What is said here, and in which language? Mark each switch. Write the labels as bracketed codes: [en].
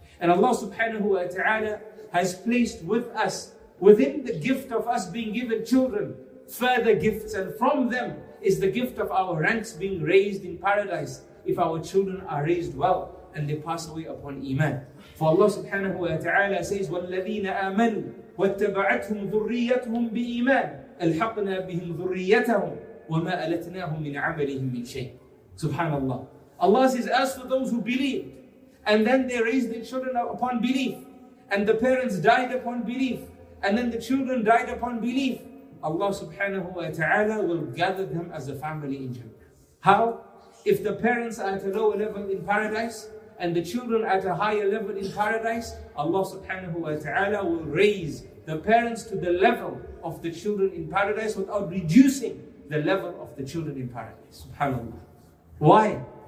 [en] And Allah subhanahu wa ta'ala has placed with us, within the gift of us being given children, further gifts, and from them is the gift of our ranks being raised in paradise if our children are raised well and they pass away upon iman. For Allah subhanahu wa ta'ala says, [ar] وَالَّذِينَ آمَنُوا وَاتَّبَعَتْهُمْ ذُرِّيَّتْهُمْ بِإِيمَانِ أَلْحَقْنَا بِهِمْ ذُرِّيَّتَهُمْ وَمَا أَلَتْنَاهُمْ مِنْ عَمَلِهِمْ مِنْ شَيْءٍ. Subhanallah. [en] Allah says, as for those who believed, and then they raised their children upon belief, and the parents died upon belief, and then the children died upon belief, Allah subhanahu wa ta'ala will gather them as a family in Jannah. How? If the parents are at a lower level in paradise, and the children at a higher level in paradise, Allah subhanahu wa ta'ala will raise the parents to the level of the children in paradise without reducing the level of the children in paradise. Subhanallah. Why?